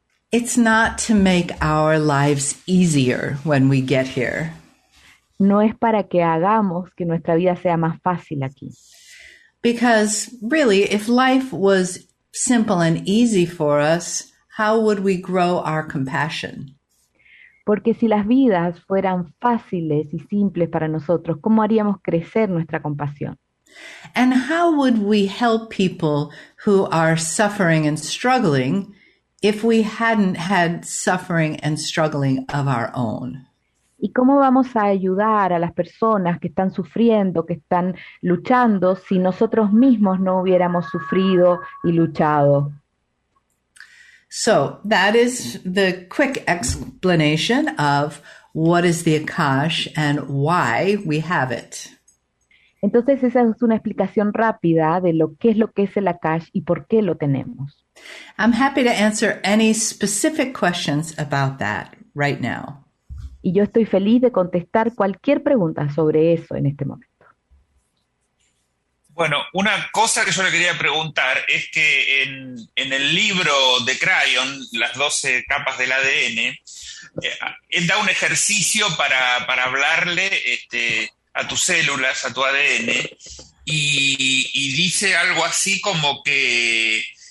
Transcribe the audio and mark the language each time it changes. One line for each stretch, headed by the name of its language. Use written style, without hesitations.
English: It's not to make our lives easier when we get here.
Spanish: No es para que hagamos que nuestra vida sea más fácil aquí.
English: Because really, if life was simple and easy for us, how would we grow our compassion?
Spanish: Porque si las vidas fueran fáciles y simples para nosotros, ¿cómo haríamos crecer nuestra compasión?
English: And how would we help people who are suffering and struggling if we hadn't had suffering and struggling of our own?
Spanish: ¿Y cómo vamos a ayudar a las personas que están sufriendo, que están luchando, si nosotros mismos no hubiéramos sufrido y luchado?
English: So, that is the quick explanation of what is the Akash and why we have it.
Spanish: Entonces, esa es una explicación rápida de lo que es el Akash y por qué lo tenemos.
English: I'm happy to answer any specific questions about that right now.
Spanish: Y yo estoy feliz de contestar cualquier pregunta sobre eso en este momento. Bueno, una cosa que yo le quería preguntar es que en el libro de Crayon, Las 12 capas del ADN, él da un ejercicio para hablarle a tus células, a tu ADN, y dice algo así como que...